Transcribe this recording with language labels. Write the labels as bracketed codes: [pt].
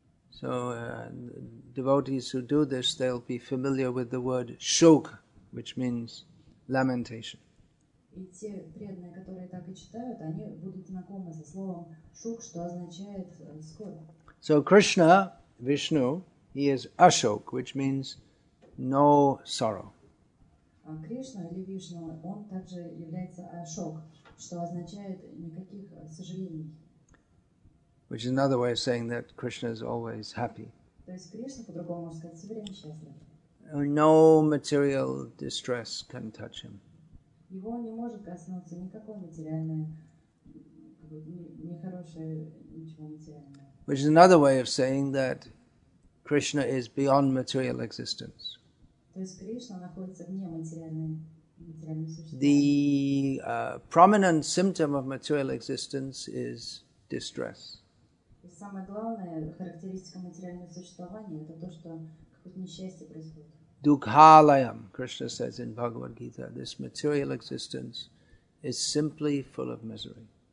[en] So devotees who do this, they'll be familiar with the word shok, which means lamentation. [ru] И те преданные, которые так и читают, они будут знакомы со словом шук, что означает скорбь. [en] So Krishna, Vishnu, he is Ashok, which means no sorrow. [ru] А Кришна или Вишну, он также является Ашок, что означает никаких сожалений. [en] Which is another way of saying that Krishna is always happy. [ru] То есть Кришна по-другому можно сказать, все время счастлив. [en] No material distress can touch him. [ru] Его не может коснуться никакого материального, нехорошее, ничего материального. [en] Which is another way of saying that Krishna is beyond material existence. [ru] То есть Кришна находится вне материальной материальности. [en] The prominent symptom of material existence is distress. [ru] И самая главная характеристика материального существования это то, что какое-то несчастье происходит. [en] Dukhalayam, Krishna says in Bhagavad Gita, this material existence is simply full of misery.